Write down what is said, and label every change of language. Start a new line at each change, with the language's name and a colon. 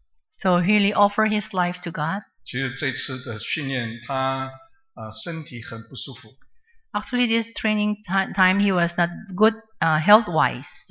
English: so he really offered his life to God.
Chinese: 其实这次的训练, 他身体很不舒服,
English: actually, this training time, he was not good health-wise.